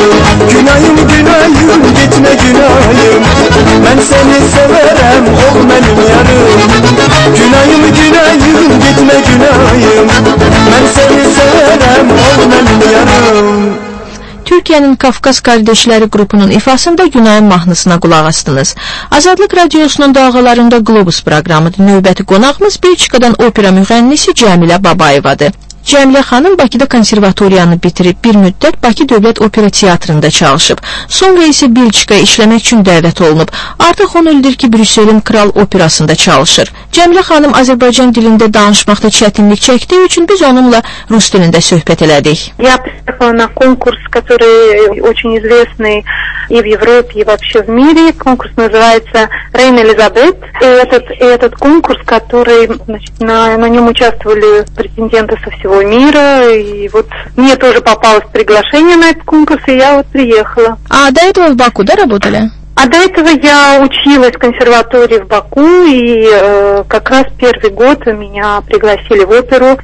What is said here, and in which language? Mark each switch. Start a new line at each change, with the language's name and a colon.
Turkish: Günahım günahım gitme günahım, ben seni severim ol benim yarım. Günahım günahım gitme günahım, ben seni severim ol benim yarım.
Azerbaijani: Türkiye'nin Kafkas Kardeşleri grubunun ifasında Günay'ın mahnısına qulaq astınız. Azadlık Radyosunun dalğalarında Globus proqramıdır. Növbəti qonağımız Belçikadan opera müğənnisi Cəmilə Babayevadır. Cəmilə xanım Bakıda konservatoriyanı bitirib, bir müddət Bakı Dövlət Opera Teatrında çalışıb. Sonra isə Belçikaya işləmək üçün dəvət olunub. Artıq 10 ildir ki, Brüsselin Kral Operasında çalışır. Cəmilə xanım Azərbaycan dilində danışmaqda çətinlik çəkdiyi üçün biz onunla rus dilində söhbət elədik.
Russian: Я пришла на конкурс, который очень известный и в Европе, и вообще в мире. Конкурс называется Reina Elizabeth. Этот конкурс, который, значит, на нём участвовали претенденты со всего мира. И вот мне тоже попалось приглашение на этот конкурс, и я вот приехала. А до этого в Баку, да, работали? А до этого я училась в консерватории в Баку, и как раз первый год меня пригласили в оперу.